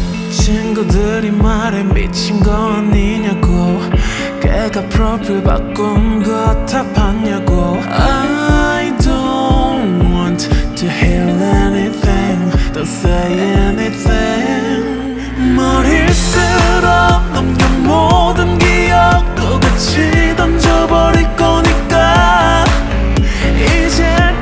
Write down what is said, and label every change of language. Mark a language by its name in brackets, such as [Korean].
[Korean] 친구들이 말해 미친 거 아니냐고 걔가 프로필 바꾼 거 다 봤냐고. [English] I don't want to hear anything. Don't say anything. [Korean] 머리를 쓸어 넘겨 모든 기억도 같이 던져버릴 거니까 이제